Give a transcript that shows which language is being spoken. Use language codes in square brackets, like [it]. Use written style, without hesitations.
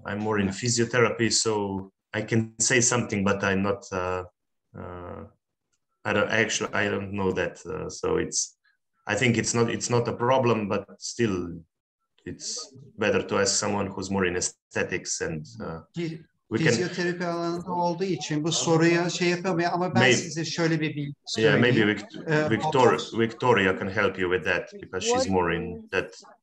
[en] I'm more in physiotherapy, so I can say something, but I'm not. I don't know that. I think it's not a problem, but still. It's better to ask someone who's more in aesthetics and we can. [tr] Fizyoterapi alanında olduğu için bu soruya şey yapamıyor, ama ben size şöyle bir bilgi söyleyeyim. [en] Yeah, maybe Victoria can help you with that, because she's more in that.